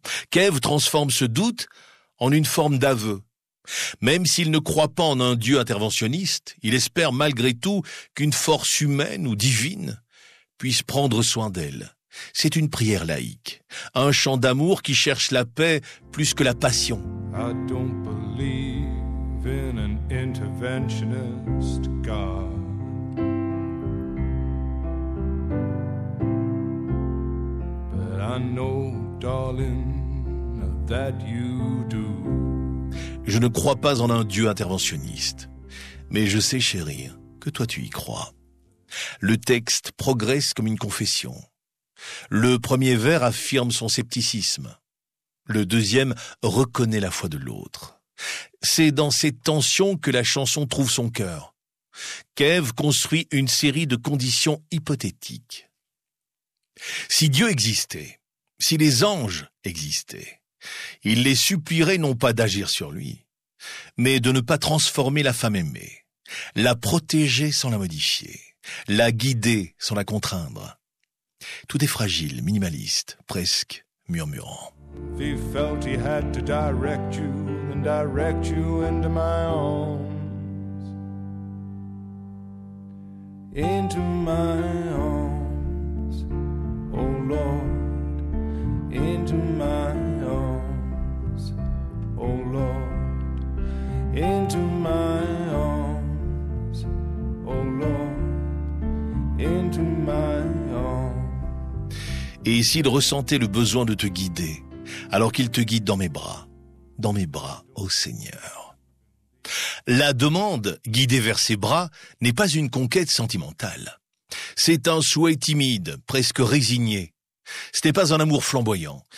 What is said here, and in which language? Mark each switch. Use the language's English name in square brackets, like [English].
[French] Cave transforme ce doute en une forme d'aveu. Même s'il ne croit pas en un dieu interventionniste, il espère malgré tout qu'une force humaine ou divine puisse prendre soin d'elle. C'est une prière laïque, un chant d'amour qui cherche la paix plus que la passion. [English] I don't believe in an interventionist God. But I know, darling, that you do. [French] Je ne crois pas en un Dieu interventionniste, mais je sais, chérie, que toi tu y crois. Le texte progresse comme une confession. Le premier vers affirme son scepticisme. Le deuxième reconnaît la foi de l'autre. C'est dans ces tensions que la chanson trouve son cœur. Kev construit une série de conditions hypothétiques. Si Dieu existait, si les anges existaient, il les supplierait non pas d'agir sur lui, mais de ne pas transformer la femme aimée, la protéger sans la modifier, la guider sans la contraindre. Tout est fragile, minimaliste, presque murmurant. [English] He felt he had to direct you and direct you into my arms. Into my arms, oh Lord, into my arms, oh Lord, into my arms, oh Lord, into my arms. [French] Et s'il ressentait le besoin de te guider, alors qu'il te guide dans mes bras, ô Seigneur. La demande, guidée vers ses bras, n'est pas une conquête sentimentale. C'est un souhait timide, presque résigné. Ce n'est pas un amour flamboyant.